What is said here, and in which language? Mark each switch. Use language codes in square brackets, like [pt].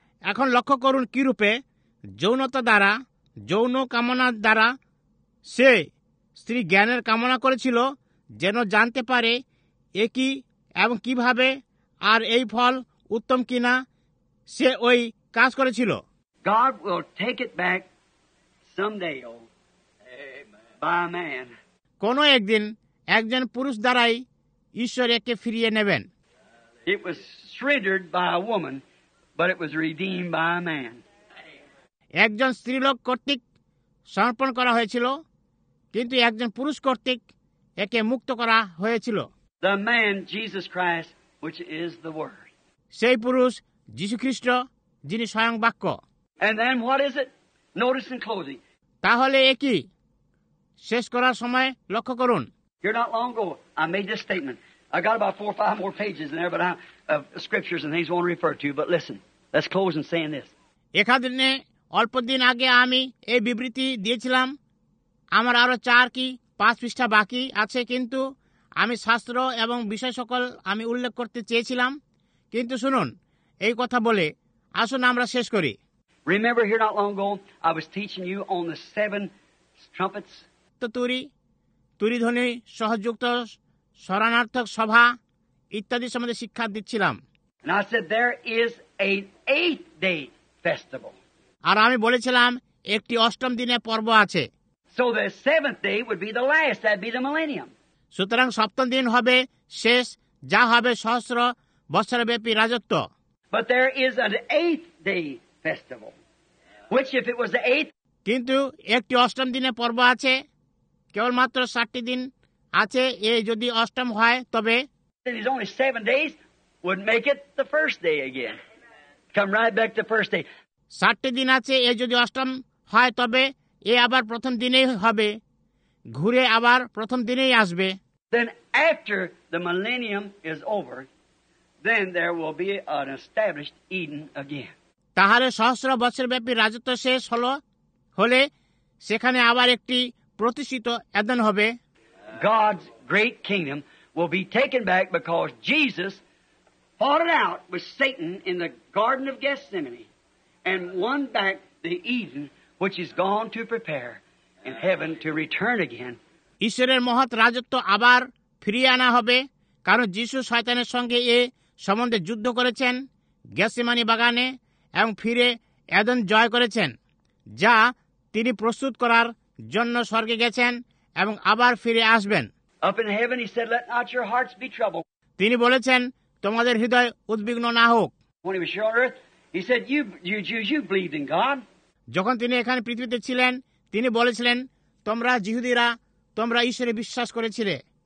[bn] এখন লক্ষ্য করুন কি রূপে যৌনতা দ্বারা, যৌন কামনার দ্বারা সে স্ত্রী জ্ঞানের কামনা করেছিল যেন জানতে পারে এ কি এবং কিভাবে আর এই ফল উত্তম কিনা। সে ওই কাজ করেছিল। [en] God will take it back someday, oh, by man. [bn] কোনো একদিন একজন পুরুষ দ্বারাই ঈশ্বর একে ফিরিয়ে নেবেন। [en] It was shredded by a woman, but it was redeemed by a man. [bn] একজন স্ত্রীলোক কর্তৃক সমর্পণ করা হয়েছিল, কিন্তু একজন পুরুষ কর্তৃক একে মুক্ত করা হয়েছিল। [en] The man Jesus Christ, which is the Word. [bn] সেই পুরুষ যীশু খ্রিস্ট, যিনি স্বয়ং বাক্য। [en] And then what is it? Notice in closing. [bn] তাহলে একি শেষ করার সময় লক্ষ্য করুন। [en] Here not long ago, I made this statement. I got about 4 or 5 more pages in there, but scriptures and things I won't refer to. But listen, let's close in saying this. [bn] একাদিনে অল্প দিন আগে আমি এই বিবৃতি দিয়েছিলাম। আমার আরো 4 কি 5 পৃষ্ঠা বাকি আছে, কিন্তু আমি শাস্ত্র এবং বিষয় সকল আমি উল্লেখ করতে চেয়েছিলাম। কিন্তু শুনুন, এই কথা বলে আসুন আমরা শেষ করি। [en] Remember here not long ago, I was teaching you on the 7 trumpets. [bn] তুরি ধ্বনি সহযুক্ত স্মরণার্থক সভা ইত্যাদি সম্বন্ধে শিক্ষা দিচ্ছিলাম। [en] And I said there is an 8-day festival. [bn] আর আমি বলেছিলাম একটি অষ্টম দিনে পর্ব আছে। [en] So the 7th day would be the last, that'd be the millennium. [bn] সুতরাং সপ্তম দিন হবে শেষ, যা হবে সহস্র বছরব্যাপী রাজত্ব। [en] But there is an 8th day festival, which if it was the 8th... [bn] কিন্তু একটি অষ্টম দিনে পর্ব আছে, কেবলমাত্র 7টি দিন আছে, এ যদি অষ্টম হয় তবে... [en] Then it's only 7 days, would make it the first day again. Come right back to first day. [bn] 7টি দিন আছে, এ যদি অষ্টম হয় তবে এ আবার প্রথম দিনেই হবে, ঘুরে আবার প্রথম দিনেই আসবে। [en] Then after the millennium is over, then there will be an established Eden again. [bn] তাহলে সহস্র বছরব্যাপী রাজত্ব শেষ হলে সেখানে আবার একটি প্রতিষ্ঠিত এদেন হবে। [en] God's great kingdom will be taken back because Jesus fought it out with Satan in the Garden of Gethsemane and won back the Eden which is gone to prepare in heaven to return again. [bn] ঈশ্বরের মহৎ রাজত্ব আবার ফিরিয়ে আনা হবে, কারণ যীশু শয়তানের সঙ্গে এ সম্বন্ধে যুদ্ধ করেছেন গেসিমানি বাগানে এবং ফিরে এদেন জয় করেছেন, যা তিনি প্রস্তুত করার জন্য স্বর্গে গেছেন এবং আবার ফিরে আসবেন। [en] Up in heaven he said, let not your hearts be troubled. [bn] তিনি বলেছেন তোমাদের হৃদয় উদ্বিগ্ন না হোক। [en] When he was here on earth, he said, you believed in God. [bn] যখন তিনি এখানে পৃথিবীতে ছিলেন, তিনি বলেছিলেন তোমরা ইহুদিরা, তোমরা ঈশ্বরে বিশ্বাস করেছিলে।